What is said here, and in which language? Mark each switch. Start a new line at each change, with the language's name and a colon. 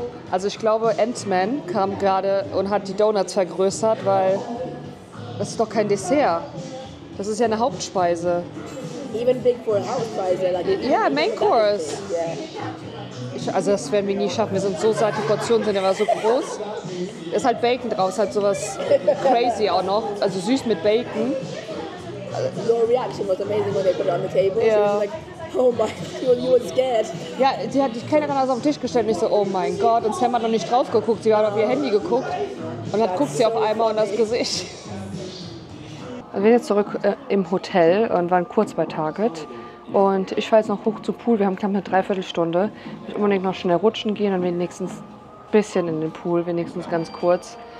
German: Also ich glaube, Ant-Man kam gerade und hat die Donuts vergrößert, weil das ist doch kein Dessert. Das ist ja eine Hauptspeise.
English: Even big for a Hauptspeise. Like yeah, main course.
German: Also das werden wir nie schaffen. Wir sind so satt, die Portionen sind immer so groß. Es ist halt Bacon drauf, ist halt sowas crazy auch noch. Also süß mit Bacon.
English: Your reaction was amazing when they put it on the table. Yeah. So she was like, oh my, you were scared.
German: Ja, sie hat die Kellnerin also auf den Tisch gestellt und ich so, oh mein Gott. Und Sam hat noch nicht drauf geguckt, sie hat auf ihr Handy geguckt. Und dann guckt sie auf einmal und das Gesicht. Wir sind jetzt zurück im Hotel und waren kurz bei Target. Und ich fahre jetzt noch hoch zum Pool. Wir haben knapp eine Dreiviertelstunde. Ich muss unbedingt noch schnell rutschen gehen und wenigstens ein bisschen in den Pool, wenigstens ganz kurz.